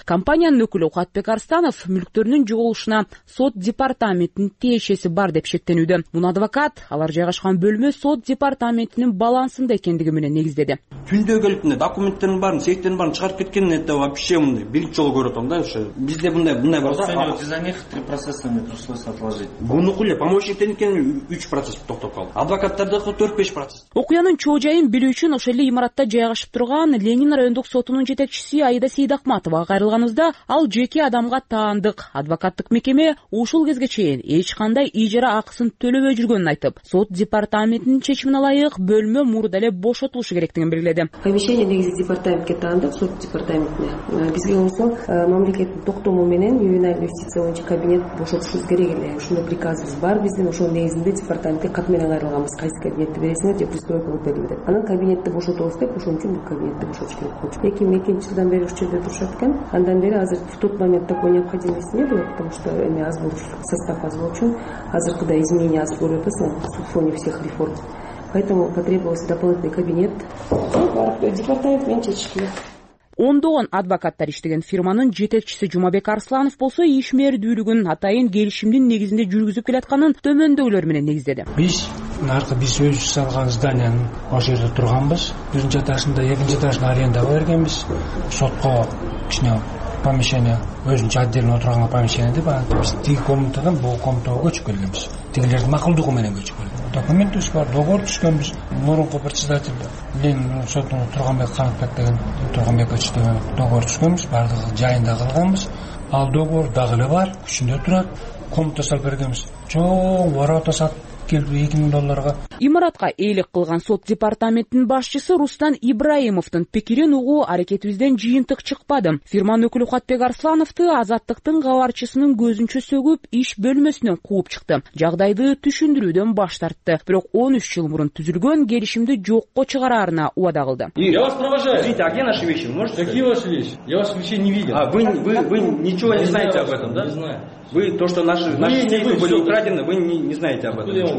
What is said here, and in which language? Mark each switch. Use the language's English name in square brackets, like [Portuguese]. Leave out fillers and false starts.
[Kyrgyz] Компаниянын өкүлү Укатбек Арстанов мүлктөрүнүн жоголушуна сот департаментинин тиешеси бар деп шектенүүдө. Муну адвокат алар жайгашкан бөлмө сот департаментинин балансында экендиги менен негиздеди. Түндө келип мындай документтердин баарын, сейфтердин баарын чыгарып кеткенин [Russian] это вообще [Kyrgyz] мындай биринчи жолу көрүп атам да. Ошо бизде мындай бар да. [Russian] За них 3 процесса мне пришлось отложить. [Kyrgyz] Бунуку эле помощниктерникин 3 процесс токтоп калды. Адвокаттардыкы 4-5 процесс. Окуянын чоо жайын билүү үчүн ошол эле имаратта жайгашып турган Ленин райондук сотунун жетекчиси Аида Сейдахматова кайрылганыбызда ал жеке адамга таандык адвокаттык мекеме ушул кезге чейин эч кандай ижара акысын төлөбөй жүргөнүн айтып, сот департаментинин чечимине ылайык бөлмө мурда эле бошотулушу керектигин белгиледи. Помещение негизи департаментке таандык, сот департаментине. Бизге болсо мамлекеттин токтому менен ювенальный юстиция боюнча кабинет бошотушубуз керек эле. Ушундай приказыбыз бар биздин, ошол негизинде департаментке кат менен кайрылганбыз. Кайсы кабинетти бересиңер деп пристройка кылып берилди деп. Анан кабинетти бошотобуз деп, ошон үчүн бул кабинетти бошотуш керек болчу. 2002 жылдан бери ушул жерде турушат экен. Андан бери азыр [Russian] в тот момент такой необходимости не было, потому что [Kyrgyz] эми аз болчу, состав аз болчу. Азыркыдай изменения аз көрүп атасыз [Russian] на фоне всех реформ. Поэтому потребовался дополнительный кабинет. [Kyrgyz] Департамент менен чечишкиле. Ондогон адвокаттар иштеген фирманын жетекчиси Жумабек Арсланов болсо ишмердүүлүгүн атайын келишимдин негизинде жүргүзүп келатканын төмөндөгүлөр менен негиздеди. Биз өзүбүз салган зданиянын ошол жерде турганбыз. Биринчи этажында, экинчи этажында арендага бергенбиз. Сотко кичине помещение өзүнчө отдельно отурганга помещение деп анан биз тиги комнатадан бул комнатага көчүп келгенбиз. Тигилердин макулдугу менен көчүп келдик. Документибиз бар, договор түзгөнбүз. Мурунку председатель Ленин сотуна Турганбек Канатбек деген Турганбекович деген договор түзгөнбүз, баардыгы жайында кылганбыз. Ал договор дагы эле бар, күчүндө турат. Комната салып бергенбиз. Чоң ворота сатып келип 2000 долларга. Имаратка ээлик кылган сот департаментинин башчысы Рустан Ибраимовдун пикирин угуу аракетибизден жыйынтык чыкпады. Фирманын өкүлү Укатбек Арслановту азаттыктын кабарчысынын көзүнчө сөгүп, иш бөлмөсүнөн кууп чыкты. Жагдайды түшүндүрүүдөн баш тартты. Бирок 13 жыл мурун түзүлгөн келишимди жокко чыгарарына убада кылды. [Russian] Я вас провожаю. Извините, а где наши вещи? Можете? Какие ваши вещи? Я вас вообще не видел. А вы ничего не знаете об этом, да? Не знаю. Вы то, что наши деньги были украдены, вы не знаете об этом.